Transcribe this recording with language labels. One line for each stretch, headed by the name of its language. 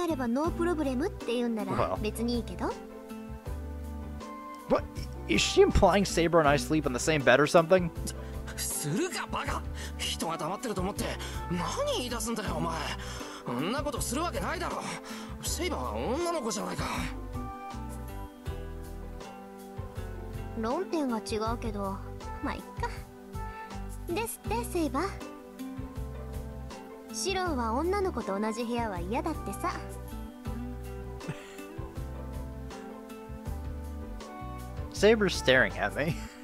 Japanese: ついでに彼女の部屋も用意したら、私のアーチャーと違ってシロのサーバントはかさばるんだから、ちゃんと寝る場所を与えておかないと。まあ、布団一組あればノープロブレムって言うなら別にいいけど。
English: What? Is she implying Saber and I sleep in the same bed or something?
Japanese: するかバカ。人が黙ってると思って何言い出すんだよお前。そんなことするわけないだろ。セイバーは女の子じゃないか。
English: Saber's staring at me.